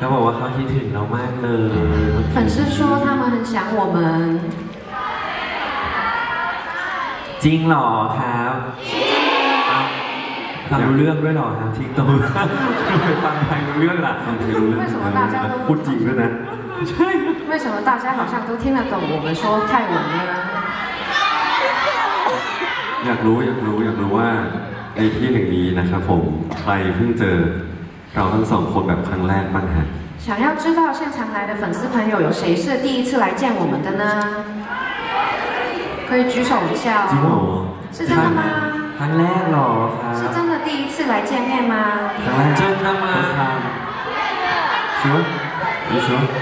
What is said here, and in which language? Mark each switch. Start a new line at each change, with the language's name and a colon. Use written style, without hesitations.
Thai: ขาบอกว่าเขาคิดถึงเรามากเลย
Chinese: 粉丝说他们很想我们
Thai: จริงหรอครับฟังรู้เรื่องด้วยหรอครับ ทิ้งตรงฟังใครรู้เรื่องล่ะ ฟังใครรู้เรื่อง พูดจริงด้วยนะ ใช่
Chinese: 为什么大家好像都听得懂我们说泰文呢
Thai: อยากรู้อยากรู้อยากรู้ว่าในที่แห่งนี้นะครับผมใครเพิ่งเจอเราทั้งสองคนแบบครั้งแรกบ้างฮะ
Chinese: 想要知道现场来的粉丝朋友有谁是第一次来见我们的呢可以举手一下哦。真的吗？是真的吗？很累咯，是真的第一次来见面吗？真的吗？什么？你说？